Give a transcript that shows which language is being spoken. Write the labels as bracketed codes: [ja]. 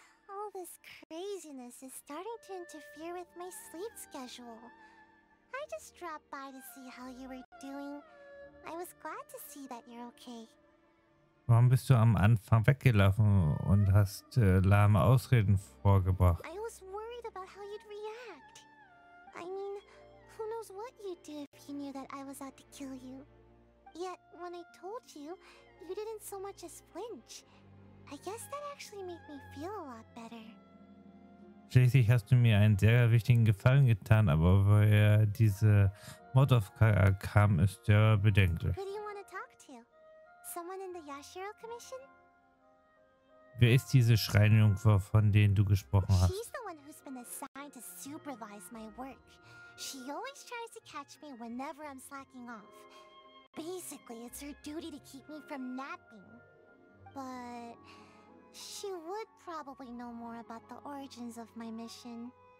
[en] All this craziness is starting to interfere with my sleep schedule. I just dropped by to see how you were doing. I was glad to see that you're okay. [de] Warum bist du am Anfang weggelaufen und hast lahme Ausreden vorgebracht? [en] I was worried about how you'd react. I mean, who knows what you'd do if you knew that I was out to kill you. Yet, when I told you, you didn't so much as flinch. I guess that actually made me feel a lot better. [de] Schließlich hast du mir einen sehr wichtigen Gefallen getan, aber woher diese Mod auf kam, ist ja bedenklich. [en] Who do you want to talk to? Someone in the Yashiro Commission? [de] Wer ist diese Schreinjungfer, von denen du gesprochen hast? [en] She's the one who's been assigned to supervise my work. She always tries to catch me whenever I'm slacking off. Basically, it's her duty to keep me from napping. But she would probably know more about the origins of my mission.